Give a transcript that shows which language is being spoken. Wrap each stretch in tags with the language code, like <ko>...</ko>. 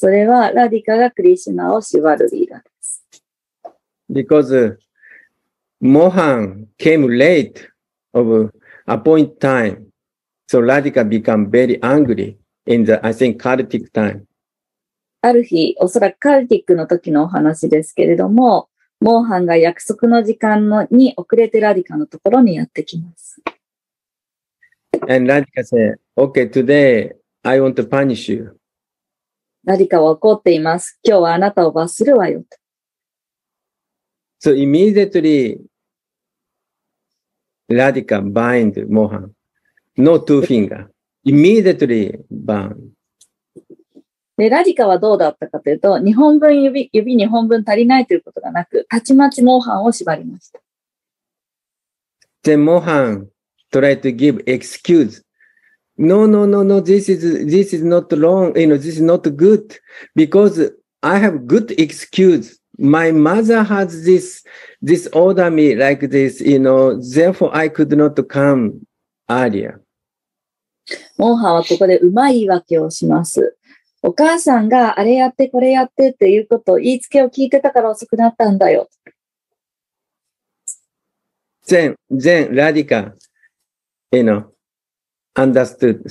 <ja>それは、ラディカがクリシュナを縛るリーラです。</ja> <en>Because Mohan came late of appointed time, so Radhika became very angry. In the, I think, Kartik time.</en> <ja>ある日、おそらくカルティックの時のお話ですけれども、モーハンが約束の時間に遅れてラディカのところにやってきます。</ja> <en>And Radhika said, okay, today I want to punish you.</en> <ja>ラディカは怒っています。今日はあなたを罰するわよと。</ja> <en>So immediately, Radhika bind Mohan. No two finger. Immediately bind.</en> <ja>で、ラディカはどうだったかというと、2本分足りないということがなく、たちまちモーハンを縛りました。で、</ja> <en>モーハン、try to give excuse. No, no, no, no, this is not wrong, you know, this is not good, because I have good excuse. My mother has this order me like this, you know, therefore I could not come earlier.</en> <ja>モーハンはここでうまい言い訳をします。お母さんがあれやってこれやってっていうことを言いつけを聞いてたから遅くなったんだよ。</ja> <en>Then Radhika, you know, understood.</en>